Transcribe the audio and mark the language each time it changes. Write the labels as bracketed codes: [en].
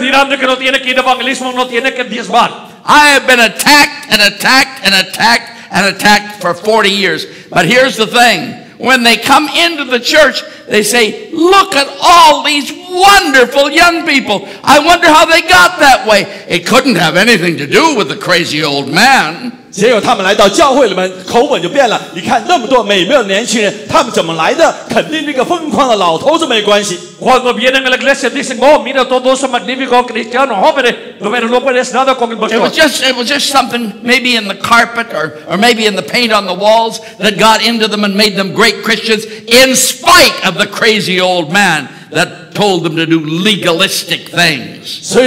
[zh] 他们告诉你不要听了，不要拿出十分之一的奉献，只要拿出五毛钱就够了。这你让这个 [es] no tiene que ir a evangelismo，no tiene que diezmar。 [en] I have been attacked and attacked and attacked and attacked for 40 years. But here's the thing. When they come into the church, they say, look at all these wonderful young people. I wonder how they got that way. It couldn't have anything to do with the crazy old man. [zh] 结果他们来到教会里面，口吻就变了。你看那么多美妙的年轻人，他们怎么来的？肯定这个疯狂的老头子没关系。 [es] Cuando vienen a la iglesia dicen, oh, mira todos esos magníficos cristianos jóvenes, pero no puedes nada con el pastor. [en] It was just something maybe in the carpet or maybe in the paint on the walls that got into them and made them great Christians in spite of the crazy old man that told them to do legalistic things.